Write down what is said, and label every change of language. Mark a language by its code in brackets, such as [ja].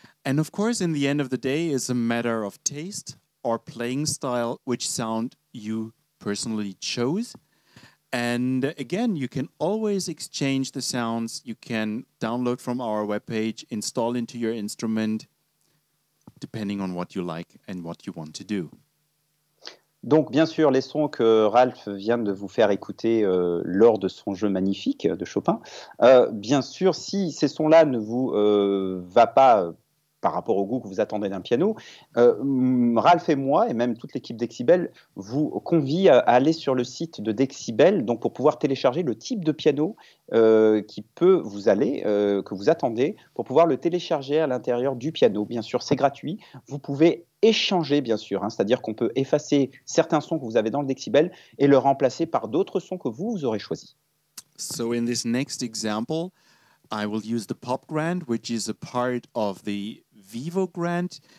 [en] And of course, in the end of the day, it's a matter of taste or playing style, which sound you personally chose. And again, you can always exchange the sounds. You can download from our webpage, install into your instrument, depending on what you like and what you want to do. [fr] Donc, bien sûr, les sons que Ralph vient de vous faire écouter lors de son jeu magnifique de Chopin, bien sûr, si ces sons-là ne vous va pas par rapport au goût que vous attendez d'un piano, Ralph et moi, et même toute l'équipe Dexibel, vous convie à aller sur le site de Dexibel donc pour pouvoir télécharger le type de piano qui peut vous aller, que vous attendez, pour pouvoir le télécharger à l'intérieur du piano. Bien sûr, c'est gratuit. Vous pouvez échanger, bien sûr, hein, c'est-à-dire qu'on peut effacer certains sons que vous avez dans le Dexibel et le remplacer par d'autres sons que vous aurez choisis. [en] So in this next example, I will use the Pop Grand, which is a part of the Vivo Grand.